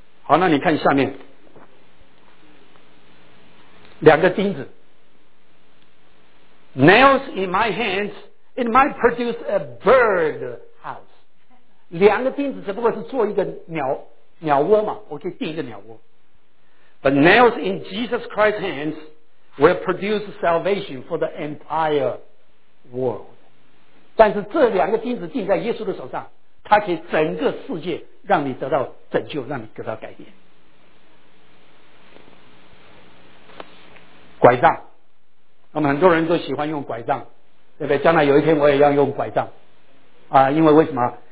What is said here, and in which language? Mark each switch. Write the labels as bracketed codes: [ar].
[zh] 好，那你看下面两个钉子 [en] Nails in my hands it might produce a bird house. [zh] 两个钉子只不过是做一个鸟窝嘛，我可以钉一个鸟窝。 [en] But nails in Jesus Christ's hands will produce salvation for the entire world. [zh] 但是这两个钉子钉在耶稣的手上，他可以整个世界让你得到拯救，让你得到改变。拐杖，那么很多人都喜欢用拐杖，对不对？将来有一天我也要用拐杖啊！因为为什么？